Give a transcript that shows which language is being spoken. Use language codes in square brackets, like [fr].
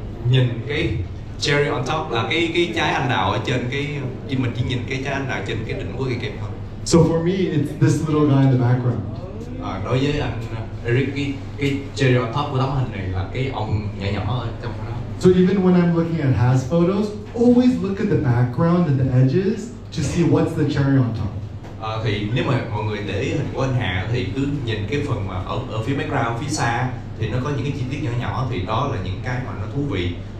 [vi] Nhìn cái cherry on top là cái trái anh đào ở trên cái mình chỉ nhìn cái trái anh đào trên cái đỉnh của cái kem thôi. [en] So for me, it's this little guy in the background. [vi] Đối với anh Eric, cái cherry on top của tấm hình này là cái ông nhỏ nhỏ ở trong đó. [en] So even when I'm looking at Has photos, always look at the background and the edges to see what's the cherry on top. [vi] Thì nếu mà mọi người để ý hình của anh Hà thì cứ nhìn cái phần mà ở phía background, phía xa thì nó có những cái chi tiết nhỏ nhỏ thì đó là những cái mà nó thú vị.